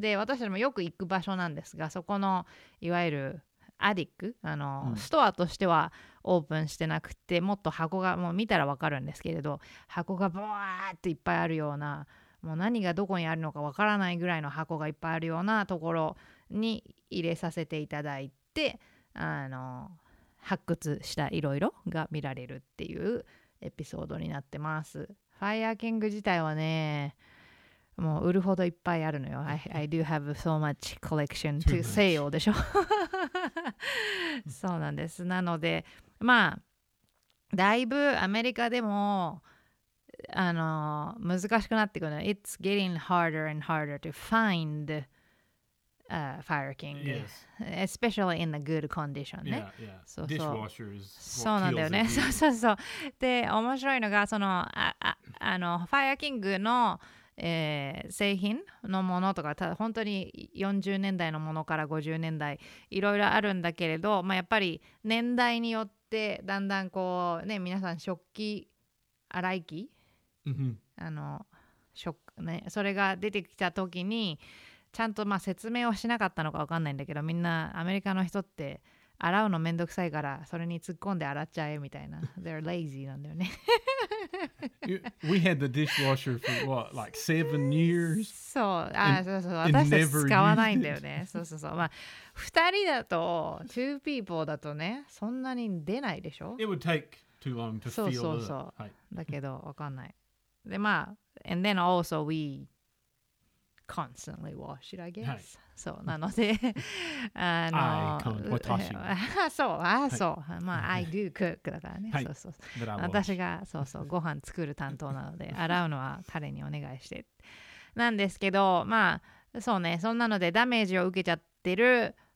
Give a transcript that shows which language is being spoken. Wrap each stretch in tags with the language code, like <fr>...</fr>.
<ja>で私たちもよく行く場所なんですが、そこのいわゆるアディック、うん、ストアとしてはオープンしてなくて、もっと箱がもう見たら分かるんですけれど、箱がボワーっていっぱいあるような、もう何がどこにあるのか分からないぐらいの箱がいっぱいあるようなところに入れさせていただいて、発掘したいろいろが見られるっていうエピソードになってます。ファイアーキング自体はね、もう売るほどいっぱいあるのよ。</ja> <en>I do have so much collection to sale でしょ。</en> <ja>そうなんです。なのでまあだいぶアメリカでも難しくなってくるの。</ja> <en>It's getting harder and harder to findファイアーキング、 yes. especially in the good condition ね。そうそう。Dishwashers.</en> <ja>そうなんだよね。そうそうそう。で、面白いのがそのファイアーキングの、製品のものとか、本当に40年代のものから50年代いろいろあるんだけれど、まあ、やっぱり年代によってだんだんこうね、皆さん食器洗い機、食ね、それが出てきた時に。ちゃんとまあ説明をしなかったのか分かんないんだけど、みんなアメリカの人って洗うのめんどくさいからそれに突っ込んで洗っちゃえみたいな。</ja> <en>They're lazy</en> <ja>なんだよね。</ja> <en>We had the dishwasher for what, like 7 years?</en> <ja>そう、あ、そうそう、私たち使わないんだよね。そうそうそう、まあ、2人だと、</ja> <en>2 people</en> <ja>だとね、そんなに出ないでしょ。</ja> <en>It would take too long to</en> <ja>そうそうそう、はい、だけど分かんない。</ja> <en>で、まあ、and then also weconstantly wash it, I guess.、</en> <ja>はい、そうなので、そう、あ、そう、はい、まあ、</ja> <en>I do cook</en> <ja>だからね、はい、そうそう、私がそうそう、ご飯作る担当なので、洗うのは彼にお願いして、なんですけど、まあ、そうね、そんなのでダメージを受けちゃってる</ja>